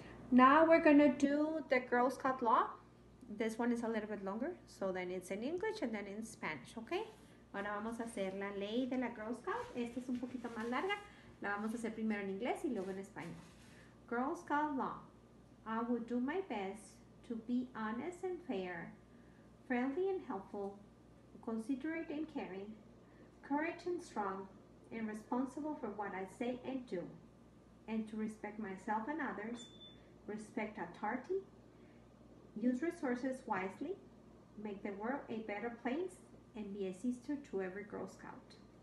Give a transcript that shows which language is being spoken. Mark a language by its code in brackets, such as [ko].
[en] Now we're going to do the Girl Scout law. This one is a little bit longer, so then it's in English and then in Spanish, okay? [es] Ahora vamos a hacer la ley de la Girl Scout. Esta es un poquito más larga. La vamos a hacer primero en inglés y luego en español. [en] Girl Scout law. I will do my best to be honest and fair, friendly and helpful, considerate and caring, courage and strong, and responsible for what I say and do, and to respect myself and others, respect authority, use resources wisely, make the world a better place, and be a sister to every Girl Scout.